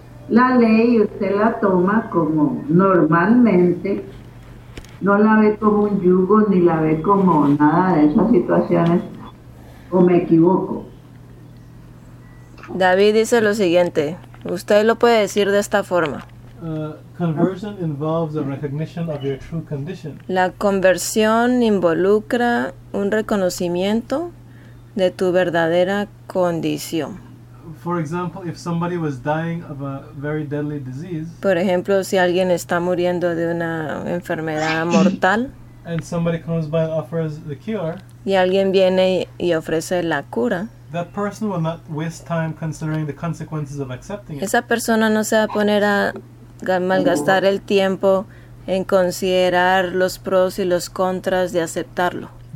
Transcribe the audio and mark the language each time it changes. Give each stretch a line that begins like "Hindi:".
Spanish: La ley usted la toma como normalmente, no la ve como un yugo ni la ve como nada de esas situaciones, o me equivoco. David dice lo siguiente, usted lo puede decir de esta forma.
English: Conversion involves a recognition of your true condition.
Spanish: La conversión involucra un reconocimiento de tu verdadera condición.
English: For example, if somebody was dying of a very deadly disease.
Spanish: Por ejemplo, si alguien está muriendo de una enfermedad mortal.
English: And somebody comes by and offers the cure.
Spanish: Y alguien viene y ofrece la cura.
English: That person will not waste time considering the consequences of accepting it.
Spanish: Esa persona no se va a poner a malgastar el tiempo en considerar los pros y los contras de aceptarlo.